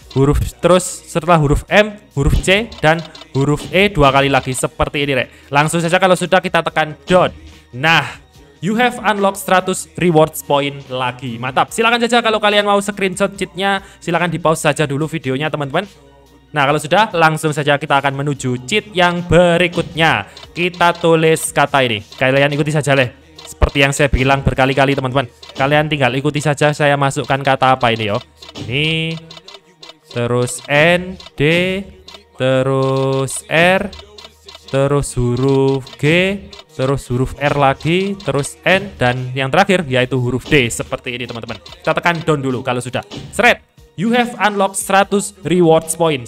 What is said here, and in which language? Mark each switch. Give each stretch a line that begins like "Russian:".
Indonesian: Huruf terus setelah huruf M, huruf C, dan huruf E dua kali lagi seperti ini Rek. Langsung saja kalau sudah kita tekan down.
English: Nah you have unlocked 100 rewards point
Indonesian: lagi. Mantap. Silakan saja kalau kalian mau screenshot cheatnya, silakan di pause saja dulu videonya teman-teman. Nah kalau sudah langsung saja kita akan menuju cheat yang berikutnya. Kita tulis kata ini. Kalian ikuti saja deh. Seperti yang saya bilang berkali-kali teman-teman, kalian tinggal ikuti saja saya masukkan kata apa ini yo. Ini terus N, D, terus R, terus huruf G, terus huruf R lagi, terus N, dan yang terakhir yaitu huruf D. Seperti ini teman-teman. Kita tekan down dulu kalau sudah. Seret.
English: You have unlocked 100 rewards point.